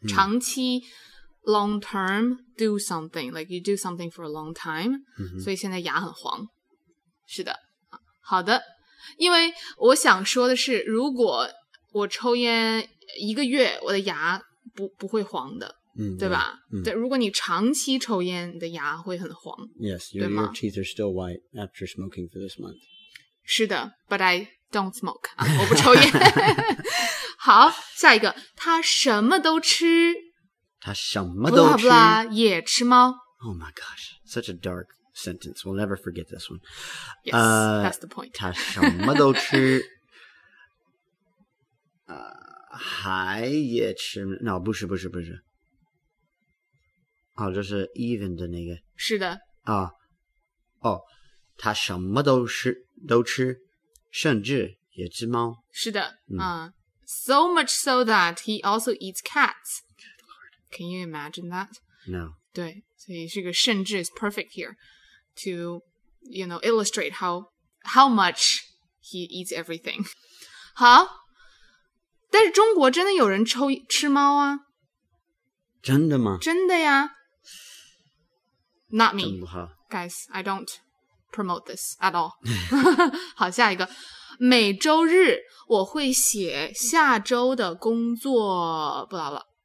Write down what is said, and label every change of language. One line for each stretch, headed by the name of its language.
Chinese: 长期
English: ，long term, do something like you do something for a long time.
Chinese: 所以现在牙很黄。是的，好的。因为我想说的是，如果我抽烟一个月，我的牙不会黄的，对吧？对，如果你长期抽烟，你的牙会很黄。
English: Yes, your teeth are still white after smoking for this month.
Chinese: 是的
English: ，but I don't smoke.
Chinese: 我不抽烟。好，下一个，他什么都吃。他什么都吃。 blah blah, 也吃猫。
English: Oh my gosh, such a dark sentence. We'll never forget this one. Yes, that's the point.
Chinese: 他什么都吃。还也吃 No, 不是不是不是。哦，这是 even 的那个。是的。哦。哦，他什么都吃，都吃，甚至也吃猫。是的。
English: So much so that he also eats cats. Can you imagine that? No.
Chinese: 对，所以这个甚至
English: is perfect here to, you know, illustrate how much he eats everything.
Chinese: 好，但是中国真的有人吃猫啊？真的吗？真的呀。
English: Not me. Guys, I don't promote this at all.
Chinese: 好，下一个。每周日我会写下周的工作 blah blah.